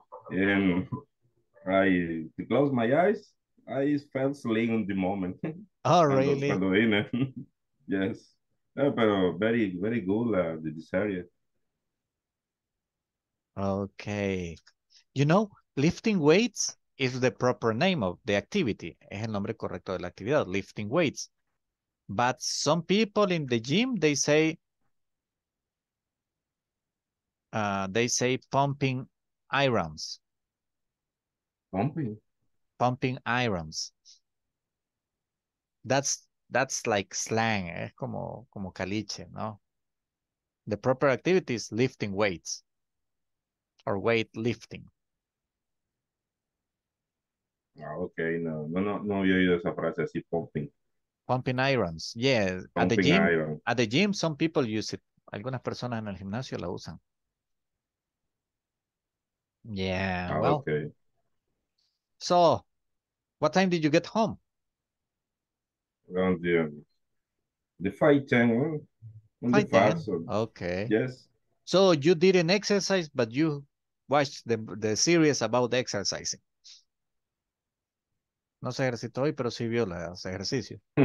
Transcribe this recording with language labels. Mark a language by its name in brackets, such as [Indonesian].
[English] And I close my eyes, I fell asleep in the moment. Oh, really? Yes. But very, very good, this area. Okay. You know, lifting weights is the proper name of the activity. [Spanish] Es el nombre correcto de la actividad, lifting weights. [English] But some people in the gym, they say pumping irons. Pumping irons. That's like slang, eh? [Spanish] como caliche, no? [English] The proper activity is lifting weights or weight lifting. [Spanish] Okay, no, yo he oído esa frase así, pumping. [English] Pumping irons, yeah. Pumping at the gym, iron. At the gym, some people use it. [Spanish] Algunas personas en el gimnasio la usan. [English] Yeah. Well, okay. So, what time did you get home? Around the 5:10. Okay. Yes. So you didn't exercise, but you watched the series about exercising. [Spanish] No se ejercitó hoy, pero sí vio los ejercicios.